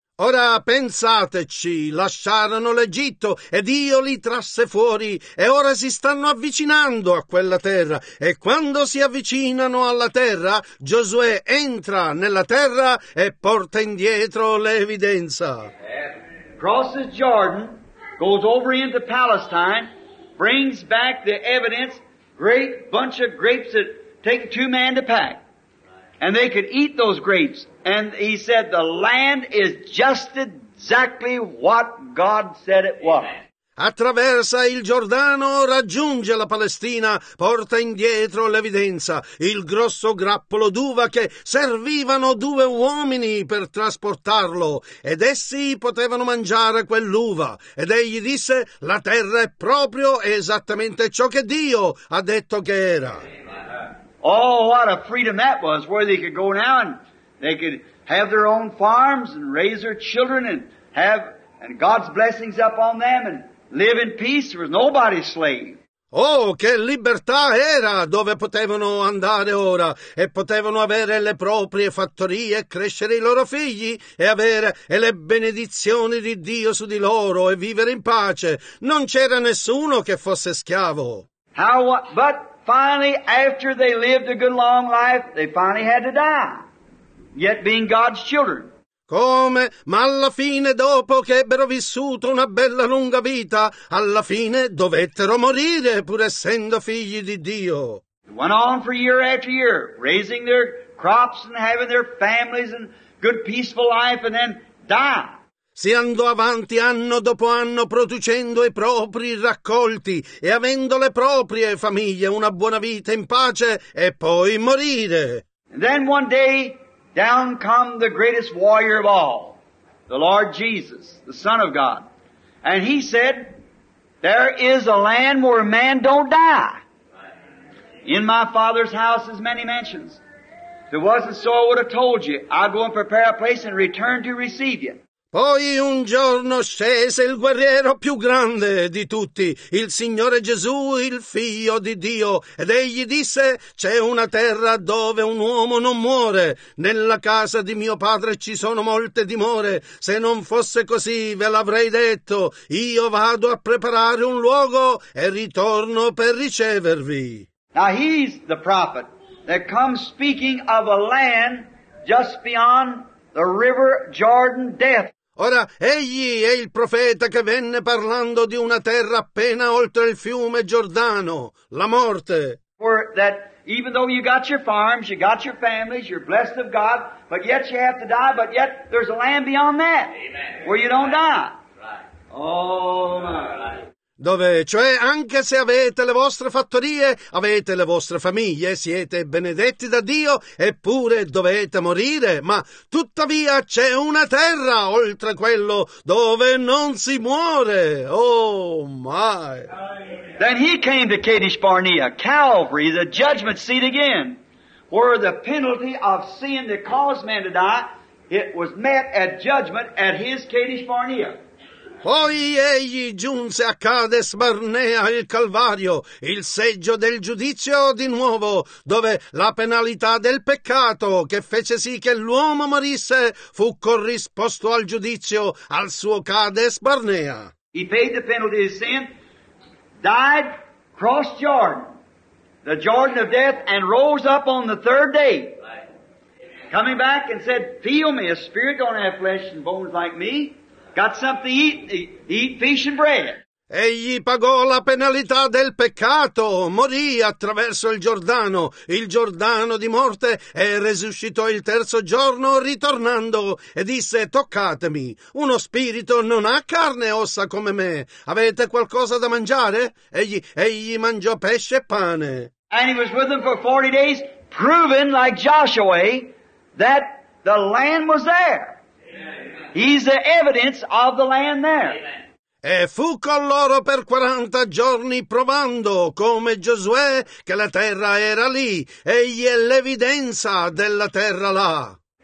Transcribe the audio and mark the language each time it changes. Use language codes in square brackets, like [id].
[it] Ora pensateci, lasciarono l'Egitto, e Dio li trasse fuori, e ora si stanno avvicinando a quella terra, e quando si avvicinano alla terra, Giosuè entra nella terra e porta indietro l'evidenza. [en] Crosses Jordan, goes over into Palestine, brings back the evidence, great bunch of grapes that take two men to pack. And they could eat those grapes. And he said, the land is just exactly what God said it was. [it] Attraversa il Giordano, raggiunge la Palestina, porta indietro l'evidenza, il grosso grappolo d'uva che servivano due uomini per trasportarlo, ed essi potevano mangiare quell'uva. Ed egli disse, la terra è proprio esattamente ciò che Dio ha detto che era. [en] Oh, what a freedom that was, where they could go now and they could have their own farms and raise their children and have and God's blessings up on them and live in peace, there was nobody slave. [it] Oh, che libertà era dove potevano andare ora e potevano avere le proprie fattorie, crescere i loro figli e avere e le benedizioni di Dio su di loro e vivere in pace. Non c'era nessuno che fosse schiavo. [en] But finally, after they lived a good long life, they finally had to die, yet being God's children. [it] Come? Ma alla fine, dopo che ebbero vissuto una bella lunga vita, alla fine dovettero morire pur essendo figli di Dio. [en] They went on for year after year, raising their crops and having their families and good peaceful life and then die. [it] Si andò avanti anno dopo anno producendo i propri raccolti e avendo le proprie famiglie, una buona vita in pace e poi morire. [en] And then one day, down come the greatest warrior of all, the Lord Jesus, the Son of God. And he said, There is a land where man don't die. In my Father's house is many mansions. If it wasn't so, I would have told you. I'll go and prepare a place and return to receive you. [it] Poi un giorno scese il guerriero più grande di tutti, il Signore Gesù, il Figlio di Dio, ed egli disse, c'è una terra dove un uomo non muore, nella casa di mio padre ci sono molte dimore, se non fosse così ve l'avrei detto, io vado a preparare un luogo e ritorno per ricevervi. [en] Now he's the prophet that comes speaking of a land just beyond the river Jordan Death. [it] Ora, egli è il profeta che venne parlando di una terra appena oltre il fiume Giordano, la morte. [en] For that even though you got your farms, you got your families, you're blessed of God, but yet you have to die, but yet there's a land beyond that. Amen. Where you don't die. Right. Oh my. [it] Dove, cioè, anche se avete le vostre fattorie, avete le vostre famiglie, siete benedetti da Dio, eppure dovete morire, ma tuttavia c'è una terra oltre quello dove non si muore. [en] Oh, my! Then he came to Kadesh Barnea, Calvary, the judgment seat again, where the penalty of sin that caused man to die, it was met at judgment at his Kadesh Barnea. [it] Poi egli giunse a Kadesh Barnea, il Calvario, il seggio del giudizio di nuovo, dove la penalità del peccato che fece sì che l'uomo morisse fu corrisposto al giudizio al suo Kadesh Barnea. [en] He paid the penalty of sin, died, crossed Jordan, the Jordan of death, and rose up on the third day, coming back and said, feel me, a spirit don't have flesh and bones like me. Got something to eat, eat fish and bread. [it] Egli pagò la penalità del peccato, morì attraverso il Giordano di morte, e resuscitò il terzo giorno ritornando e disse, toccatemi, uno spirito non ha carne e ossa come me, avete qualcosa da mangiare? Egli mangiò pesce e pane. [en] And he was with them for 40 days, proving like Joshua that the land was there. He's the evidence of the land there. [it] E fu con loro per 40 giorni provando come Giosuè che la terra era lì. Egli è l'evidenza della terra là.